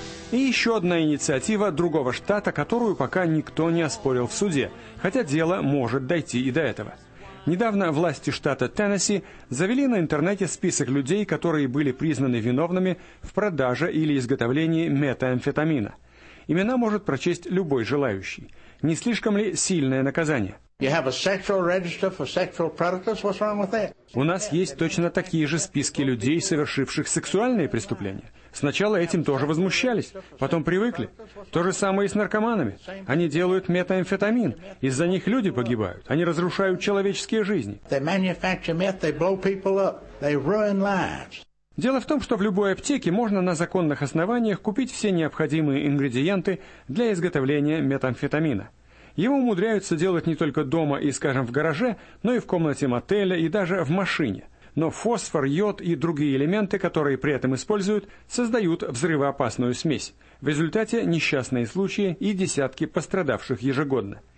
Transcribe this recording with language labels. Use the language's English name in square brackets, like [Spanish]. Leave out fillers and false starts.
[Russian] И еще одна инициатива другого штата, которую пока никто не оспорил в суде, хотя дело может дойти и до этого. Недавно власти штата Теннесси завели на интернете список людей, которые были признаны виновными в продаже или изготовлении метамфетамина. Имена может прочесть любой желающий. Не слишком ли сильное наказание? [English] You have a sexual register for sexual predators. What's wrong with that? [Russian] У нас есть точно такие же списки людей, совершивших сексуальные преступления. Сначала этим тоже возмущались, потом привыкли. То же самое и с наркоманами. Они делают метамфетамин. Из-за них люди погибают. Они разрушают человеческие жизни. [English] They manufacture meth, they blow people up, they ruin lives. [Russian] Дело в том, что в любой аптеке можно на законных основаниях купить все необходимые ингредиенты для изготовления метамфетамина. Его умудряются делать не только дома и, скажем, в гараже, но и в комнате мотеля, и даже в машине. Но фосфор, йод и другие элементы, которые при этом используют, создают взрывоопасную смесь. В результате несчастные случаи и десятки пострадавших ежегодно.